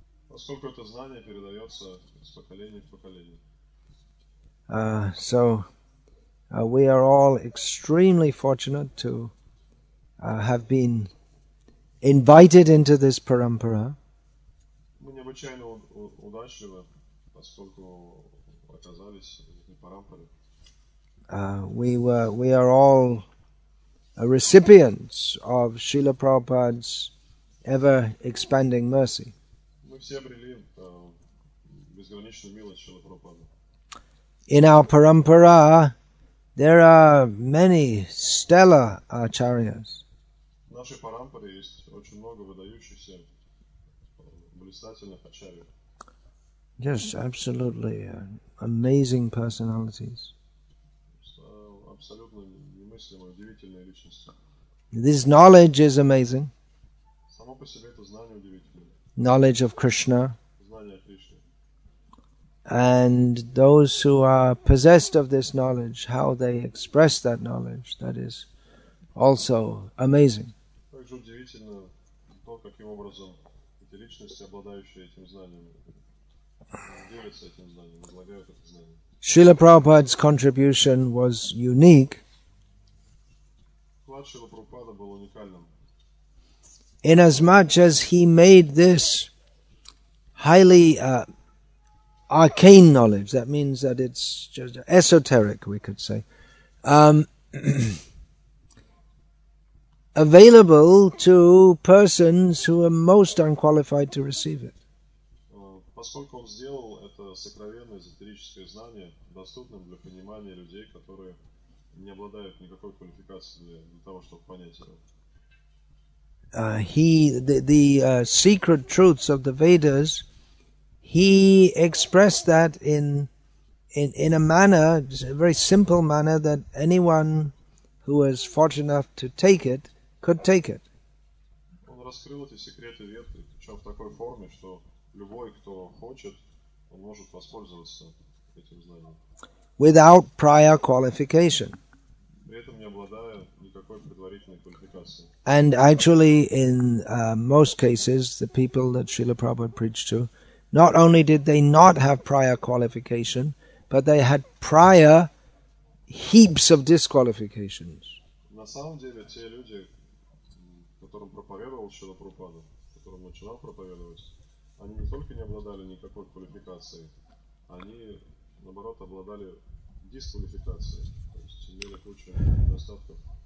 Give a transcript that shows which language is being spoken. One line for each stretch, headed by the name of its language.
Russian: Поскольку это знание передается с поколения в поколение.
English: We are all extremely fortunate to have been invited into this parampara.
Russian: Мы необычайно удачливы, поскольку оказались в парампаре.
English: We are all recipients of Srila Prabhupada's ever expanding mercy.
Russian: Мы все обрели безграничную милость Шрилы Прабхупады.
English: In our parampara, there are many stellar acharyas.
Russian: В нашей парампаре есть очень много выдающихся блистательных ачарьев.
English: Just absolutely amazing personalities.
Russian: Абсолютно немыслимые, удивительные личности.
English: This knowledge is amazing.
Russian: Само по себе это знание удивительное.
English: Knowledge of Krishna.
Russian: Знание Кришны.
English: And those who are possessed of this knowledge, how they express that knowledge, that is also amazing.
Russian: Также удивительно то, каким образом эти личности, обладающие этим знанием, делятся этим знанием, излагают это знание.
English: Srila Prabhupada's contribution was unique.
Russian: Вклад Шрилы Прабхупады был уникальным.
English: Inasmuch as he made this highly arcane knowledge, that means that it's just esoteric, we could say, available to persons who are most unqualified to receive it.
Russian: Поскольку он сделал это сокровенное эзотерическое знание доступным для понимания людей, которые не обладают никакой квалификацией для того, чтобы понять его.
English: Secret truths of the Vedas, he expressed that in a manner, a very simple manner, that anyone who was fortunate enough to take it could take it.
Russian: Он раскрыл эти секреты вед, причем в такой форме, что любой, кто хочет, он может воспользоваться этим знанием.
English: Without prior qualification.
Russian: При этом не обладая никакой предварительной квалификацией.
English: And actually, in most cases, the people that Srila Prabhupada preached to, not only did they not have prior qualification, but they had prior heaps of disqualifications.
Russian: На самом деле, те люди, которым проповедовал Шрила Прабхупада, которым начинал проповедовать, они только не обладали никакой квалификацией, они, наоборот, обладали дисквалификацией, то есть имели кучу недостатков.